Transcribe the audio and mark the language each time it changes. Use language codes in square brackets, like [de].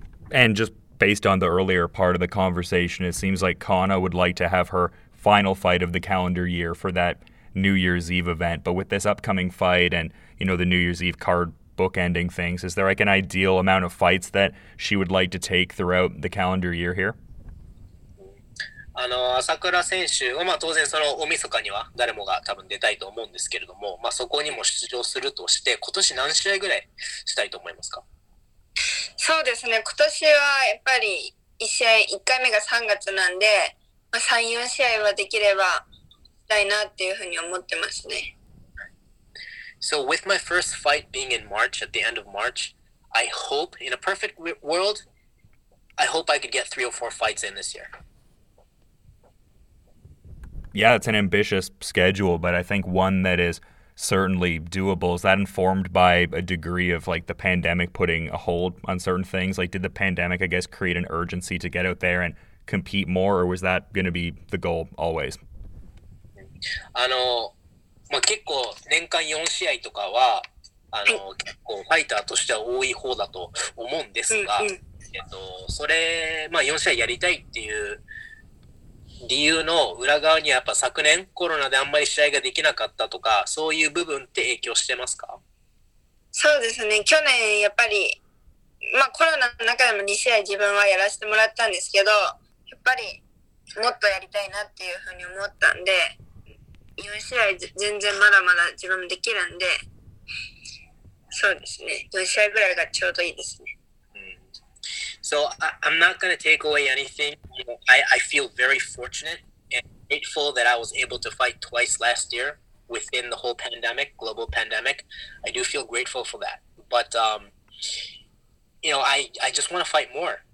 [en] And just based on the earlier part of the conversation, it seems like Kana would like to have her final fight of the calendar year for that New Year's Eve event. But with this upcoming fight and, you know, the New Year's Eve card bookending things, is there like an ideal amount of fights that she would like to take throughout the calendar year here? [ja] あの朝倉選手は、まあ、当然その大晦日には誰もが多分出たいと思うんですけれども、まあ、そこにも出場するとして、今年何試合ぐらいしたいと思いますか？そうですね、今年はやっぱり1試合、1回目が3月なんで、まあ、3、4試合はできればしたいなっていうふうに思ってますね。 [en] So with my first fight being in March, at the end of March, I hope, in a perfect world, I hope I could get 3 or 4 fights in this year. Yeah, it's an ambitious schedule, but I think one that is... certainly doable. Is that informed by a degree of like the pandemic putting a hold on certain things? Like did the pandemic, I guess, create an urgency to get out there and compete more, or was that going to be the goal always? [ja] あの、まあ、結構年間4試合とかはあの結構ファイターとしては多い方だと思うんですが、それ、まあ、4試合やりたいっていう理由の裏側にはやっぱ昨年コロナであんまり試合ができなかったとかそういう部分って影響してますか？そうですね、去年やっぱり、まあ、コロナの中でも2試合自分はやらせてもらったんですけど、やっぱりもっとやりたいなっていうふうに思ったんで、4試合全然まだまだ自分もできるんで、そうですね、4試合ぐらいがちょうどいいですね。 [en] So I'm not going to take away anything. I feel very fortunate and grateful that I was able to fight twice last year within the whole pandemic, global pandemic. I do feel grateful for that. But, you know, I just want to fight more.